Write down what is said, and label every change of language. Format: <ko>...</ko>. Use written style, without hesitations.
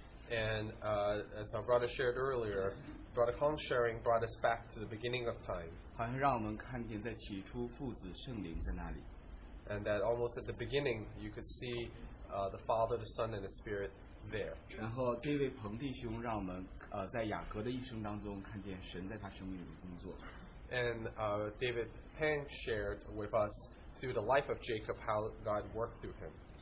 <en>And as our brother shared earlier, Brother Kong's sharing brought us back to the beginning of time.</en> <zh>好像让我们看见在起初父子圣灵在那里。</zh> <en>And that almost at the beginning, you could see the Father, the Son, and the Spirit there.</en> <zh>然后David鹏弟兄让我们在雅各的一生当中看见神在他生命里工作。</zh> <en>And David Peng shared with us through the life of Jacob how God worked through him.</en>